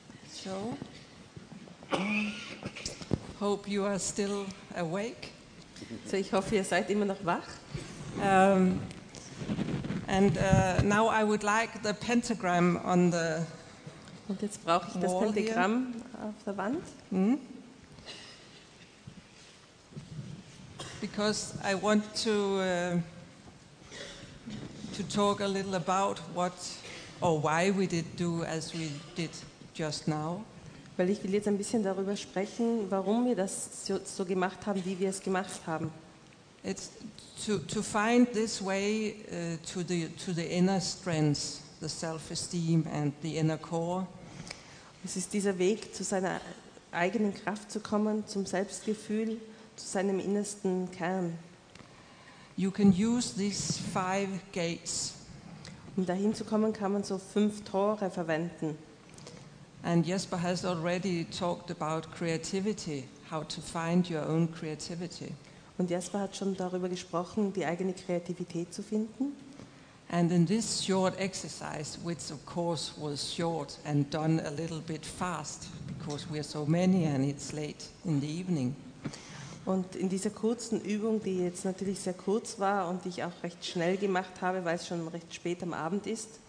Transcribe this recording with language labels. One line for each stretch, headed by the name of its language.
English: So, hope you are still awake.
German: So, ich hoffe, ihr seid immer noch wach.
English: Now I would like the pentagram on the wall.
German: Und jetzt brauche ich das Pentagramm auf der Wand.
English: Because I want to talk a little about what or why we did do as we did just now.
German: Weil ich will jetzt ein bisschen darüber sprechen, warum wir das so gemacht haben, wie wir es gemacht haben.
English: It's to find this way to the inner strength, the self-esteem and the inner core.
German: Es ist dieser Weg, zu seiner eigenen Kraft zu kommen, zum Selbstgefühl, zu seinem innersten Kern.
English: You can use these five gates.
German: Um dahin zu kommen, kann man so fünf Tore verwenden.
English: And Jesper has already talked about creativity, how to find your own creativity.
German: Und Jesper hat schon darüber gesprochen, die eigene Kreativität zu finden.
English: And in this short exercise, which of course was short and done a little bit fast, because we are so many and it's late in the evening.
German: Und in dieser kurzen Übung, die jetzt natürlich sehr kurz war und die ich auch recht schnell gemacht habe, weil es schon recht spät am Abend ist,